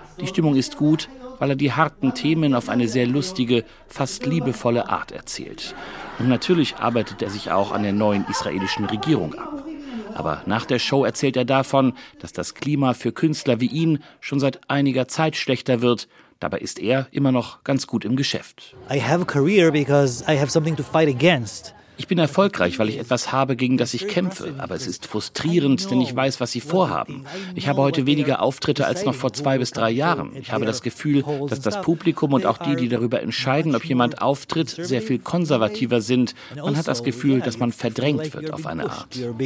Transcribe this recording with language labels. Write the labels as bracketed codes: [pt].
[de] Die Stimmung ist gut, weil er die harten Themen auf eine sehr lustige, fast liebevolle Art erzählt. Und natürlich arbeitet er sich auch an der neuen israelischen Regierung ab. Aber nach der Show erzählt er davon, dass das Klima für Künstler wie ihn schon seit einiger Zeit schlechter wird. Dabei ist er immer noch ganz gut im Geschäft. [en] I have a career because I have something to fight against. [de] Ich bin erfolgreich, weil ich etwas habe, gegen das ich kämpfe. Aber es ist frustrierend, denn ich weiß, was sie vorhaben. Ich habe heute weniger Auftritte als noch vor 2 bis 3 Jahren. Ich habe das Gefühl, dass das Publikum und auch die, die darüber entscheiden, ob jemand auftritt, sehr viel konservativer sind. Man hat das Gefühl, dass man verdrängt wird auf eine Art.